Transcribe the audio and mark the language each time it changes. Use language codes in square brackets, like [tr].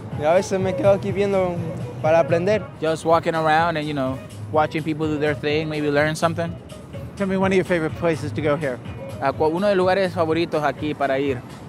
[es] Y a veces me quedo aquí viendo para aprender. [en] Just walking around and, you know, watching people do their thing, maybe learn something. Tell me one of your favorite places to go here. [es] Uno de los lugares favoritos aquí para ir.